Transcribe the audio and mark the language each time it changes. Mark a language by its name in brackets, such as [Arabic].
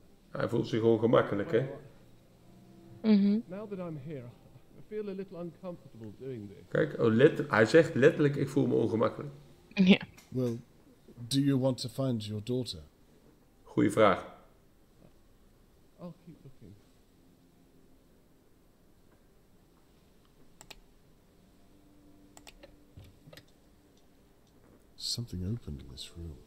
[Dutch] Hij voelt zich ongemakkelijk, hè? [English] Now that I'm here, I feel a little uncomfortable doing this. [Dutch] Kijk, hij zegt letterlijk, ik voel me ongemakkelijk. Ja. [English] Yeah. Well, do you want to find your daughter? [Dutch] Goeie vraag. [English] I'll keep looking. Something's something opened in this room.